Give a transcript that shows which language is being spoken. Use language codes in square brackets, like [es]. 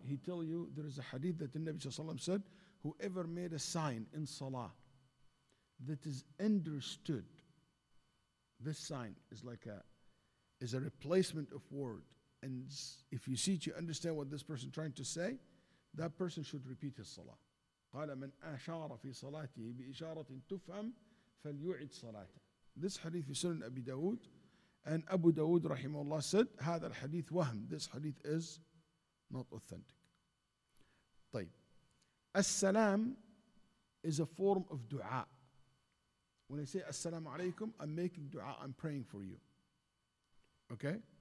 [en] He tell you there is a hadith that the Nabi ﷺ said, whoever made a sign in salah that is understood, this sign is like a replacement of word. And if you see it, you understand what this person is trying to say, that person should repeat his salah. [ar] قال من أشار في صلاته بإشارة تفهم فليعد صلاته. [en] This hadith is Sunan Abi Dawood, and Abu Dawood رحمه الله said [ar] هذا الحديث وهم. [en] This hadith is not authentic. طيب. السلام is a form of دعاء. When I say السلام عليكم, I'm making دعاء. I'm praying for you. Okay.